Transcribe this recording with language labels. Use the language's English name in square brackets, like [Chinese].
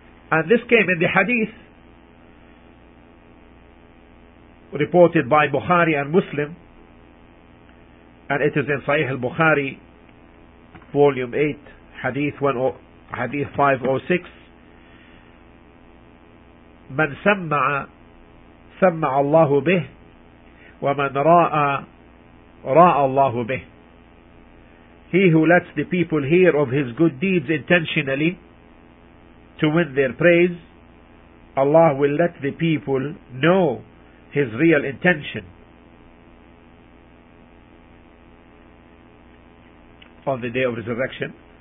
[English] And this came in the hadith reported by Bukhari and Muslim, and it is in Sahih al-Bukhari, volume 8, hadith 506. [Arabic] من سمع سمع الله به ومن راء راء الله به. [English] He who lets the people hear of his good deeds intentionally to win their praise, Allah will let the people know his real intention on the day of resurrection.